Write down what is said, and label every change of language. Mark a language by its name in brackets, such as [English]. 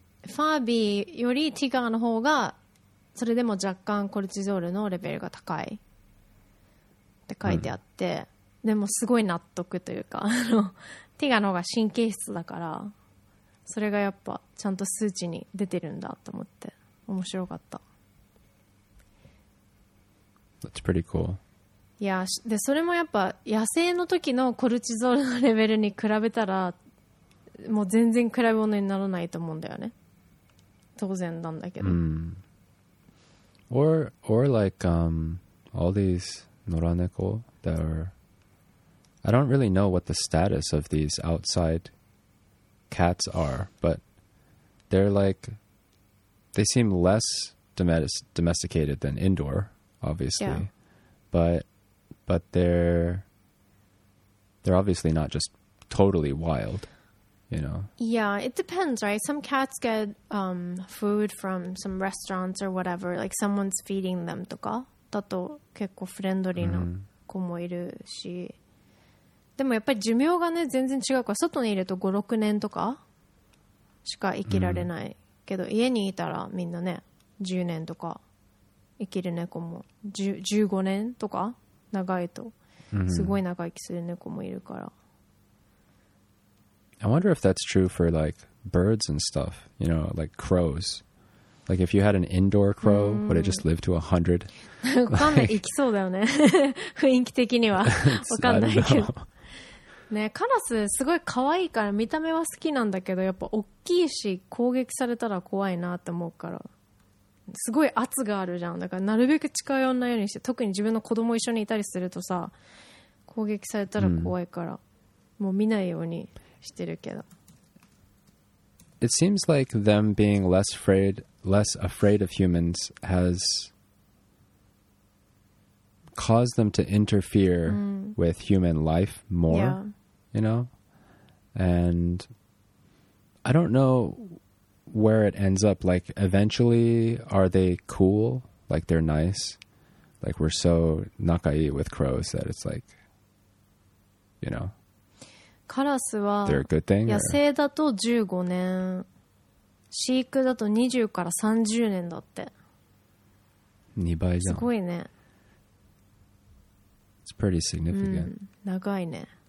[Japanese] ファービーよりティガーの方がそれでも若干コルチゾールのレベルが高いって書いてあって、うん、でもすごい納得というかティガーの方が神経質だからそれがやっぱちゃんと数値に出てるんだと思って面白かった。 [English] That's pretty cool. [Japanese] いやでそれもやっぱ野生の時のコルチゾールのレベルに比べたらもう全然比べ物にならないと思うんだよね。当然なんだけど、 [English] Or like all these 野良猫 that are I don't really know what the status of these outside cats are, but they're like they seem less domesticated than indoor, obviously. Yeah. But they're obviously not just totally wild, you know. Yeah, it depends, right? Some cats get food from some restaurants or whatever, like someone's feeding them [Japanese] とかだと結構フレンドリーな子もいるし。でもやっぱり寿命がね全然違うから外にいると 5,6 年とかしか生きられないけど、うん、家にいたらみんなね10年とか生きる猫も15年とか長いとすごい長生きする猫もいるから、 [English] うん、I wonder if that's true for like birds and stuff, you know, like crows. Like if you had an indoor crow, would it just live to 100? [Japanese] わかんない、生きそうだよね雰囲気的にはわかんないけどね、カラスすごい可愛いから見た目は好きなんだけどやっぱ大きいし攻撃されたら怖いなって思うからすごい圧があるじゃん。だからなるべく近寄らないようにして、特に自分の子供一緒にいたりするとさ攻撃されたら怖いから、うん、もう見ないようにしてるけど。 [English] It seems like them being less afraid of humans has caused them to interfere、うん、with human life more、yeah. You know, and I don't know where it ends up. Like, eventually, are they cool? Like, they're nice? Like, we're so nakai with crows that it's like, you know, [Japanese] カラスは [English] they're a good thing. [Japanese] 野生だと15年、飼育だと20から30年だって。 2倍じゃん。すごいね。 [English] It's pretty significant.、 [Japanese] うん、長いね。